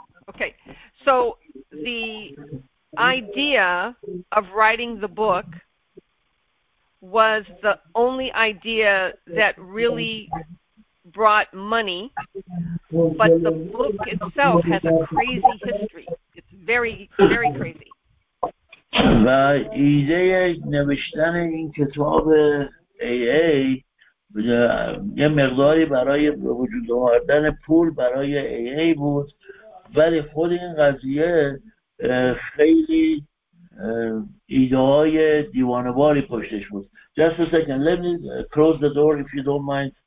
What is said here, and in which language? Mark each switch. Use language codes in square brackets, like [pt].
[en] Okay, so the idea of writing the book was the only idea that really brought money, but the book itself has a crazy history. It's very, very crazy. [fa] و ایده نوشتن این کتاب AA یه مقداری برای وجود آوردن پول برای AA بود، ولی خود این قضیه خیلی ایده های دیوانواری پشتش بود. [en] Just a second, let me close the door if you don't mind.